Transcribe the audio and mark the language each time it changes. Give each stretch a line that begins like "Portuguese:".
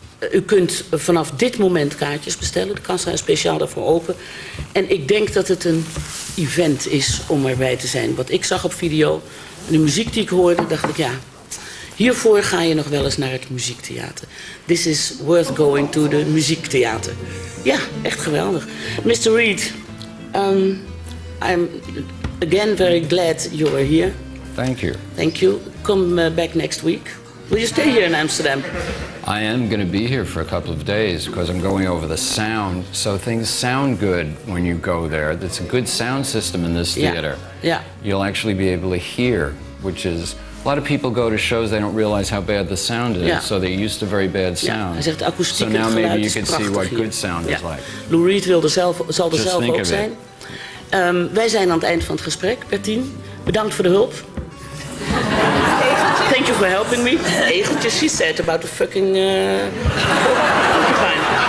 Dutch: U kunt vanaf dit moment kaartjes bestellen. De kassa is speciaal daarvoor open. En ik denk dat het een event is om erbij te zijn. Wat ik zag op video, de muziek die ik hoorde, dacht ik ja, hiervoor ga je nog wel eens naar het muziektheater.
English: This is worth going to the muziektheater.
Dutch: Ja, echt geweldig.
English: Mr. Reed, I'm again very glad you are here. Thank you. Thank you. Come back next week. Will you stay here in Amsterdam? I am going to be here for a couple of days because I'm going over the sound. So things sound good when you go there. It's a good sound system in this theater. Yeah. You'll actually be able to hear, which is... A lot of people go to shows, they don't realize how bad the sound is. Yeah. So they're used to very bad sound.
Dutch: Yeah. Hij zegt, akoestiek,
English: so now maybe you can see what
Dutch: hier.
English: Good sound is like.
Dutch: Lou Reed wil er zelf, zal er zelf ook zijn. Wij zijn aan het eind van het gesprek, Bertien. Bedankt voor de hulp.
English: Thank you for helping me. Egeltjes, she said about the fucking... porcupine.